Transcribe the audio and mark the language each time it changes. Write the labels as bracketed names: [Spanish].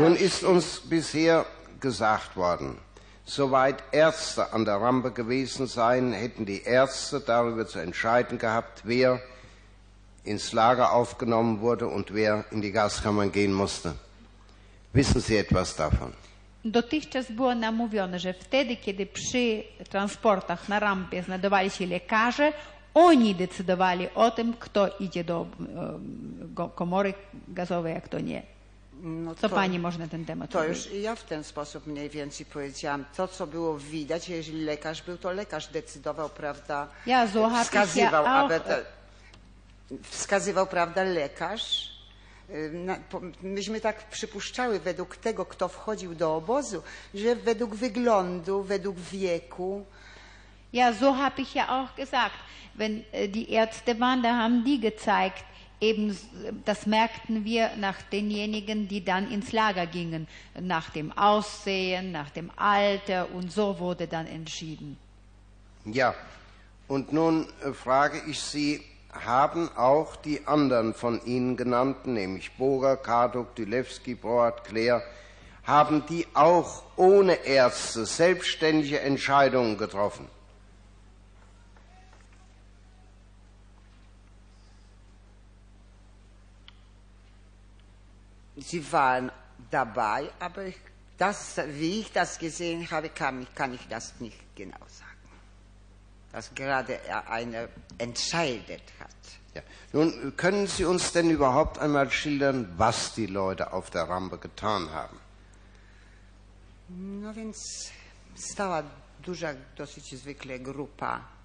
[German] Nun ist uns bisher gesagt worden, soweit Ärzte an der Rampe gewesen seien, hätten die Ärzte darüber zu entscheiden gehabt, wer ins Lager aufgenommen wurde und wer in die Gaskammern gehen musste. Wissen Sie etwas davon? [Polish] Dotychczas było namówione, że wtedy, kiedy przy transportach na rampie znajdowali się lekarze, oni decydowali o tym, kto idzie do komory gazowej, a kto nie. No co to, pani może na ten temat to powiedzieć? To już ja w ten sposób mniej więcej powiedziałam. To, co było widać, jeżeli lekarz był, to lekarz decydował, prawda, [German] ja [Polish] wskazywał, [German] ja, [Polish] aby te, wskazywał, prawda, lekarz. Myśmy tak przypuszczały według tego, kto wchodził do obozu, że według wyglądu, według wieku. [German] Ja, so habe ich ja auch gesagt. Wenn die Ärzte waren, da haben die gezeigt, eben das merkten wir nach denjenigen, die dann ins Lager gingen, nach dem Aussehen, nach dem Alter und so wurde dann entschieden. Ja, und nun frage ich Sie, haben auch die anderen von Ihnen genannten, nämlich Boger, Karduk, Dilewski, Broad, Claire, haben die auch ohne Ärzte selbstständige Entscheidungen getroffen? Sie waren dabei, aber das, wie ich das gesehen habe, kann ich das nicht genau sagen. Dass gerade er eine entscheidet hat. Ja. Nun, können Sie uns denn überhaupt einmal schildern, was die Leute auf der Rampe getan haben? [Polish] No więc stała duża, dosyć zwykle grupa.